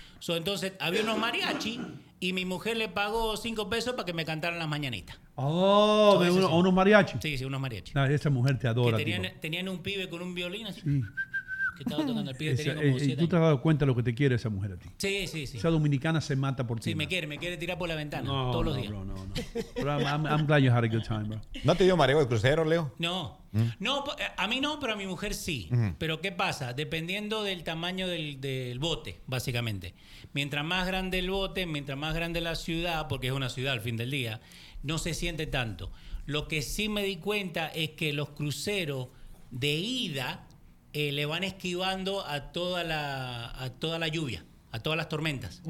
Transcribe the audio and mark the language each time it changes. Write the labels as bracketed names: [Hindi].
[Spanish] So, entonces, había unos mariachi y mi mujer le pagó 5 pesos para que me cantaran las mañanitas. Oh, de unos mariachis. Sí, unos mariachis. Nah, esa mujer te adora. Que tenían un pibe con un violín así. Sí. Que estaba tocando el pibe. Esa, tenía como 7 años. ¿Tú te has dado cuenta de lo que te quiere esa mujer a ti? Sí. Esa dominicana se mata por ti. Sí, me quiere tirar por la ventana todos los días. No. Pero [English] I'm glad you had a good time, bro. [Spanish] ¿No te dio mareo el crucero, Leo? No. No, a mí no, pero a mi mujer sí. Mm. Pero ¿qué pasa? Dependiendo del tamaño del bote, básicamente. Mientras más grande el bote, mientras más grande la ciudad, porque es una ciudad al fin del día, no se siente tanto. Lo que sí me di cuenta es que los cruceros de ida le van esquivando a toda la lluvia, a todas las tormentas.